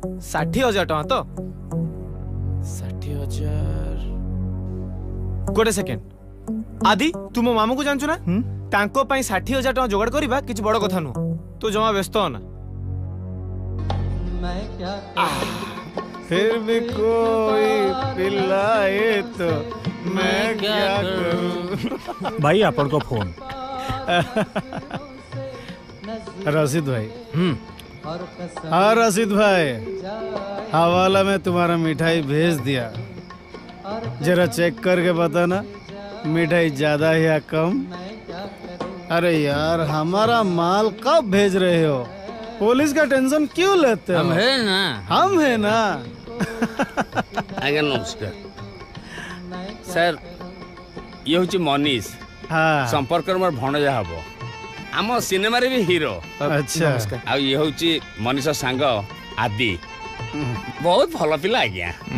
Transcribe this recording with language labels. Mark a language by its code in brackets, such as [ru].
[or] ଷାଠିଏ ହଜାର ଟଙ୍କା ତ? ଷାଠିଏ ହଜାର। ଗୋଟେ ସେକେଣ୍ଡ ଆଦି, ତୁ ମୋ ମାମୁଁକୁ ଜାଣିଛୁ ନା? ତାଙ୍କ ପାଇଁ ଷାଠିଏ ହଜାର ଟଙ୍କା ଯୋଗାଡ଼ କରିବା କିଛି ବଡ କଥା ନୁହଁ, ତୁ ଜମା ବ୍ୟସ୍ତ ହନା। [hi] फिर भी कोई पिलाए तो मैं क्या करूं। भाई आपन को फोन। रशीद भाई, हाँ रशीद भाई, हवाला में तुम्हारा मिठाई भेज दिया, जरा चेक करके बताना मिठाई ज्यादा है या कम। अरे यार, हमारा माल कब भेज रहे हो? पुलिस का टेंशन क्यों लेते हो? हम है ना, हम है ना। [or] ନମସ୍କାର ସାର୍, ଇଏ ହଉଛି ମନୀଷ, ସମ୍ପର୍କରେ ମୋର ଭଣଜା ହବ, ଆମ ସିନେମାରେ ବି ହିରୋ। ଆଉ ଇଏ ହଉଛି ମନୀଷ ସାଙ୍ଗ ଆଦି, ବହୁତ ଭଲ ପିଲା ଆଜ୍ଞା,